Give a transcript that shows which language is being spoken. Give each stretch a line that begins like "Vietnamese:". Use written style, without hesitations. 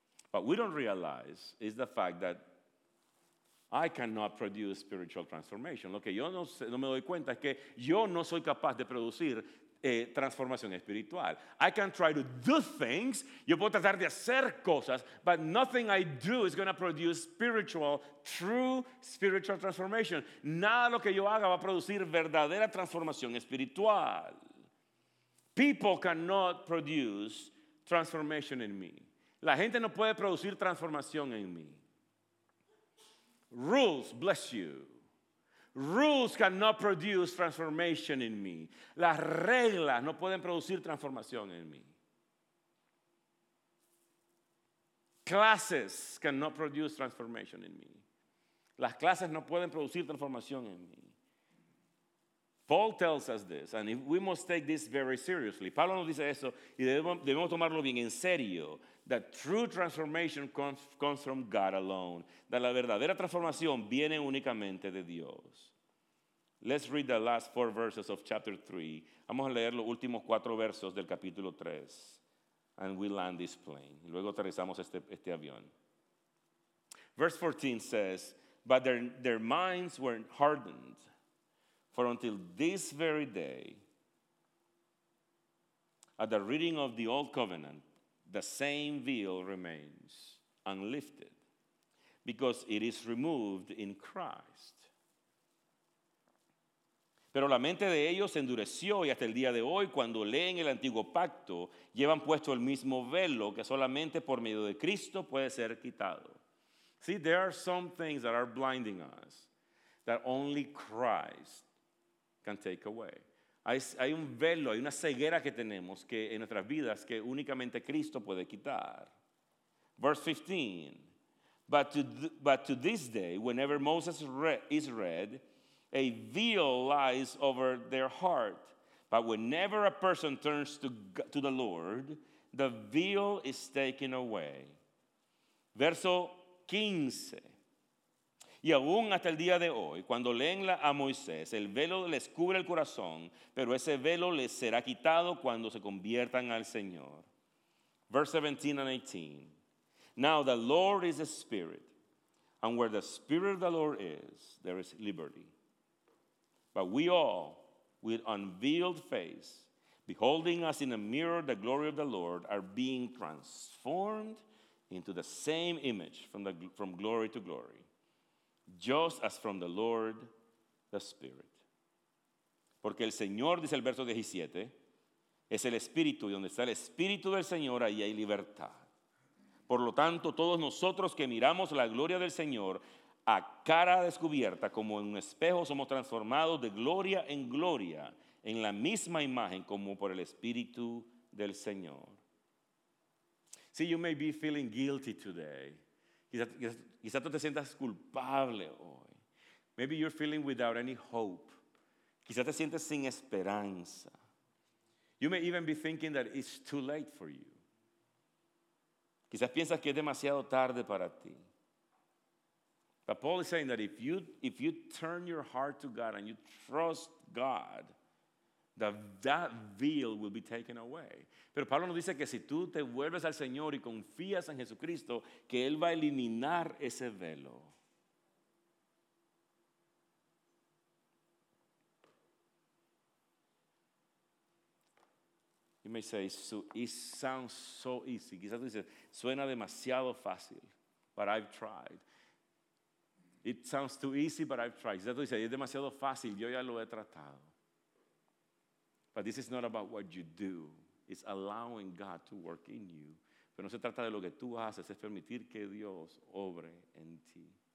English: What we don't realize is the fact that I cannot produce spiritual transformation.
Spanish: Lo que yo no me doy cuenta es que yo no soy capaz de producir transformación espiritual.
English: I can try to do things.
Spanish: Yo puedo tratar de hacer cosas,
English: but nothing I do is going to produce spiritual, true spiritual transformation.
Spanish: Nada lo que yo haga va a producir verdadera transformación espiritual.
English: People cannot produce transformation in me.
Spanish: La gente no puede producir transformación en mí.
English: Rules, bless you. Rules cannot produce transformation in me.
Spanish: Las reglas no pueden producir transformación en mí.
English: Classes cannot produce transformation in me.
Spanish: Las clases no pueden producir transformación en mí.
English: Paul tells us this, and we must take this very seriously.
Spanish: Pablo nos dice eso, y debemos tomarlo bien en serio.
English: That true transformation comes from God alone.
Spanish: That la verdadera transformación viene únicamente de Dios.
English: Let's read the last four verses of chapter 3.
Spanish: Vamos a leer los últimos cuatro versos del capítulo 3.
English: And we land this plane.
Spanish: Luego aterrizamos este avión.
English: Verse 14 says, but their minds were hardened. For until this very day, at the reading of the old covenant, the same veil remains unlifted because it is removed in Christ.
Spanish: Pero la mente de ellos se endureció y hasta el día de hoy, cuando leen el antiguo pacto, llevan puesto el mismo velo que solamente por medio de Cristo puede ser quitado.
English: See, there are some things that are blinding us that only Christ can take away.
Spanish: Hay un velo, hay una ceguera que tenemos que en nuestras vidas que únicamente Cristo puede quitar.
English: Verse 15. But to this day, whenever Moses is read, a veil lies over their heart. But whenever a person turns to the Lord, the veil is taken away.
Spanish: Verso 15. Y aún hasta el día de hoy, cuando leen a Moisés, el velo les cubre el corazón, pero ese velo les será quitado cuando se conviertan al Señor.
English: Verse 17 and 18. Now the Lord is a spirit, and where the spirit of the Lord is, there is liberty. But we all, with unveiled face, beholding us in a mirror the glory of the Lord, are being transformed into the same image from glory to glory. Just as from the Lord, the Spirit.
Spanish: Porque el Señor, dice el verso 17, es el Espíritu, y donde está el Espíritu del Señor, ahí hay libertad. Por lo tanto, todos nosotros que miramos la gloria del Señor a cara descubierta, como en un espejo, somos transformados de gloria en gloria, en la misma imagen como por el Espíritu del Señor.
English: See, you may be feeling guilty today.
Spanish: Quizás tú te sientas culpable hoy.
English: Maybe you're feeling without any hope.
Spanish: Quizás te sientes sin esperanza.
English: You may even be thinking that it's too late for you.
Spanish: Quizás piensas que es demasiado tarde para ti.
English: But Paul is saying that if you turn your heart to God and you trust God, that veil will be taken away.
Spanish: Pero Pablo nos dice que si tú te vuelves al Señor y confías en Jesucristo, que Él va a eliminar ese velo.
English: You may say, it sounds so easy.
Spanish: Quizás tú dices, suena demasiado fácil,
English: but I've tried. It sounds too easy, but I've tried.
Spanish: Quizás tú dices, es demasiado fácil, yo ya lo he tratado.
English: But this is not about what you do. It's allowing God to work in you.
Spanish: Pero no se trata de lo que tú haces, es permitir que Dios obre en ti.